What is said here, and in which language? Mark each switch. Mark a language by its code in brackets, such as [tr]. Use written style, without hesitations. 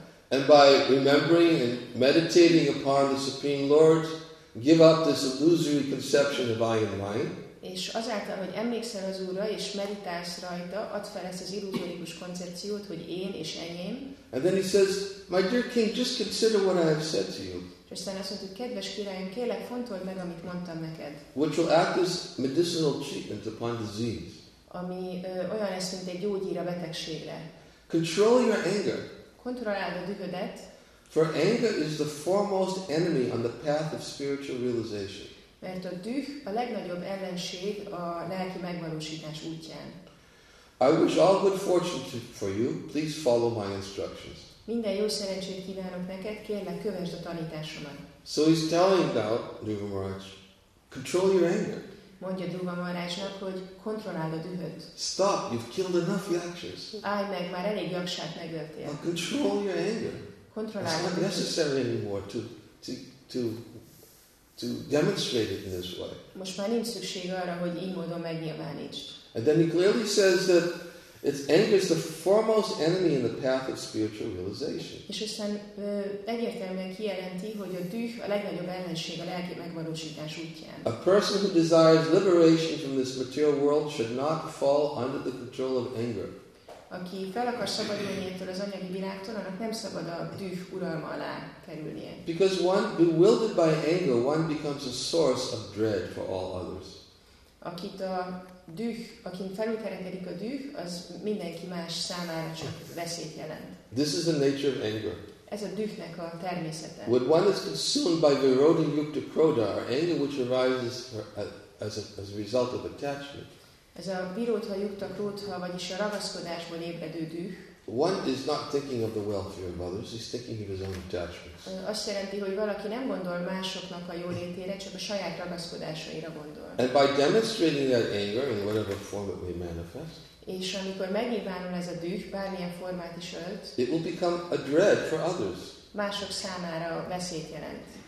[en] And by remembering and meditating upon the Supreme Lord, give up this illusory conception of I am mine. [hu] És azáltal, hogy emlékszel az Úrra és meditálsz rajta, add fel ezt az illuzórikus koncepciót, hogy én és enyém. [en] And then he says, my dear king, just consider what I have said to you. [hu] És aztán azt mondta, hogy kedves királyom, kérlek, fontold meg, amit mondtam neked. [en] Which will act as medicinal treatment upon disease. [hu] Ami olyan lesz, mint egy gyógyír a betegségre. [en] Control your anger. [hu] Kontrolláld a dühödet. [en] For anger is the foremost enemy on the path of spiritual realization. [hu] Mert a düh a legnagyobb ellenség a lelki megvalósítás útján. [en] I wish all good fortune for you. Please follow my instructions. [hu] Minden jó szerencsét kívánok neked, kérlek, kövesd a tanításomat. [en] So he's telling out, Dhruva Maharaj, control your anger. [hu] Mondja Dhruva Maharajnak, hogy kontrolláld a dühöt. [en] Stop, you've killed enough yakshas. [hu] Állj meg, már elég yakshát megöltél. [en] Now control your anger. [hu] Kontrolláld a dühöt. [en] It's not necessary anymore to demonstrate it in this way. [hu] Most már nincs szükség arra, hogy így módon megnyilvánítsd. [en] And then he clearly says that its anger is the foremost enemy in the path of spiritual realization. [hu] És aztán egyértelműen kijelenti, hogy a düh a legnagyobb ellenség a lelki megvalósítás útján. [en] A person who desires liberation from this material world should not fall under the control of anger. [hu] Aki fel akar szabadulni ettől az anyagi világtól, annak nem szabad a düh uralma alá kerülnie. [en] Because one bewildered by anger, one becomes a source of dread for all others. [hu] Akit a düh, akin felülkerekedik a düh, az mindenki más számára csak veszélyt jelent. [en] This is the nature of anger. [hu] Ez a dühnek a természete. [en] When one is consumed by virodhi yukta krodha, or anger which arises as a result of attachment, [hu] ez a virodha yukta krodha, vagyis a ragaszkodásból ébredő düh, [en] one is not thinking of the welfare of others, he's thinking of his own attachments. [hu] Azt jelenti, hogy valaki nem gondol másoknak a jólétére, csak a saját ragaszkodásaira gondol. [en] And by demonstrating that anger in whatever form it may manifest, [hu] és amikor megnyilvánul ez a düh, bármilyen formát is ölt, [en] it will become a dread for others. [hu] Mások számára veszélyt jelent.